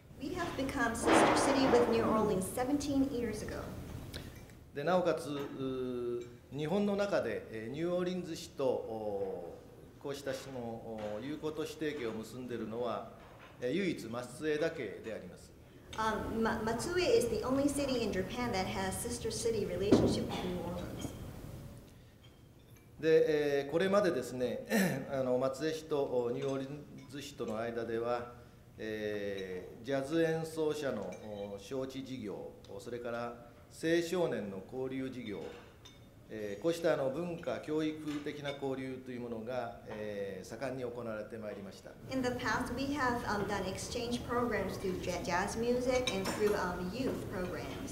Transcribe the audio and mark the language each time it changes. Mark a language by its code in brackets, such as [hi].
[en] We have become sister city with New Orleans 17 years ago. [ja] で、なおかつ、日本の中でニューオーリンズ市とこうした市の友好都市提携を結んでいるのは唯一松江だけであります。 [en] Matsue is the only city in Japan that has sister city relationship with New Orleans. [ja] で、これまでですね、松江市とニューオーリンズ市との間では、ジャズ演奏者の招致事業、それから青少年の交流事業、こうした文化教育的な交流というものが盛んに行われてまいりました。 [en] In the past, we have done exchange programs through jazz music and through youth programs.